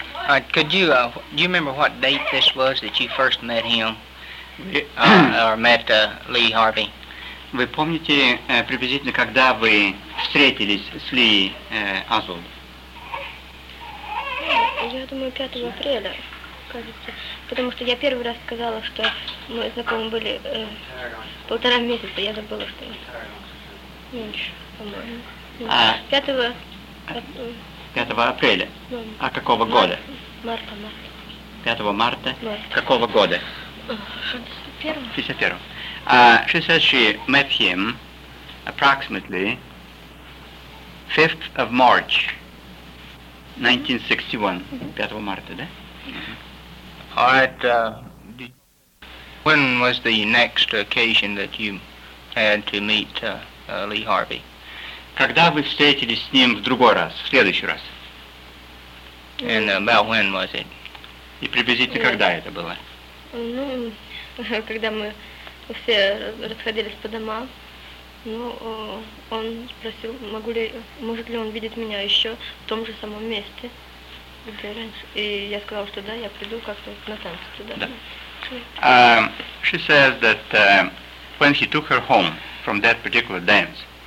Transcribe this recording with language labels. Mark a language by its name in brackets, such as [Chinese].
[English] Do you remember what date this was that you first met him, or met Lee Harvey? [Russian] Вы помните приблизительно, когда вы встретились с Ли Азолом? Я думаю, 5 апреля, кажется. Потому что я первый раз сказала, что мы знакомы были полтора месяца. Я забыла, что меньше, по-моему. 5 апреля? А какого года? Марта. 5 марта? Какого года? 61. [English] She says she met him approximately 5th of March, 1961. [Russian] 5 марта, да? [English] All right. When was the next occasion that you had to meet Lee Harvey? [Russian] Когда вы встретились с ним в другой раз, в следующий раз? [English] And about when was it? [Russian] И приблизительно когда это было? Ну, когда мы все расходились по домам, ну, он спросил, могу ли, может ли он видеть меня еще в том же самом месте, где раньше. И я сказала, что да, я приду как-то на танцы туда. Да. [English] She says that when he took her home from that particular dance,